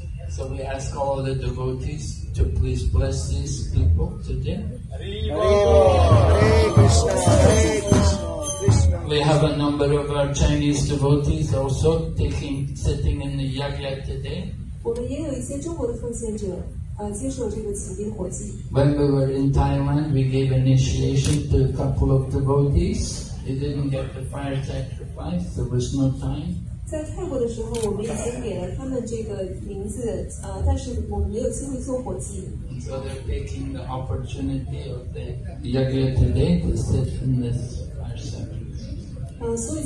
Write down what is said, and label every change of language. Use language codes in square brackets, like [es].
[en] so we ask all the devotees to please bless these people today. We have a number of our Chinese devotees also sitting in the yajna today. [zh] 我们也有一些中国的奉献者。 [en] When we were in Thailand, we gave initiation to a couple of devotees. They didn't get the fire sacrifice. There was no time. [zh] 在泰国的时候，我们已经给了他们这个名字，但是我们没有机会做火祭。 [en] So they're taking the opportunity of the yajna today to sit in this fire sacrifice.